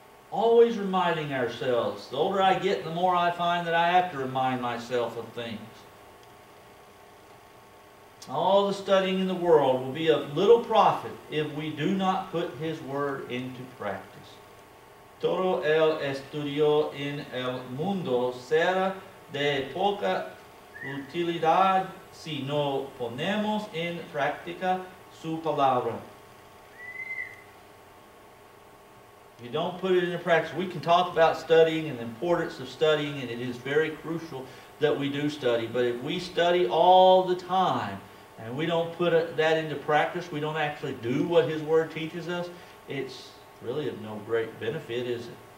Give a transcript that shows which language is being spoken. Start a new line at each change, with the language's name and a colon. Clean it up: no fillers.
English: Always reminding ourselves. The older I get, the more I find that I have to remind myself of things. All the studying in the world will be of little profit if we do not put His Word into practice.
Spanish: Todo el estudio en el mundo será de poca utilidad si no ponemos en práctica su palabra.
English: If you don't put it into practice, we can talk about studying and the importance of studying, and it is very crucial that we do study. But if we study all the time and we don't put that into practice, we don't actually do what His Word teaches us, it's really of no great benefit, is it?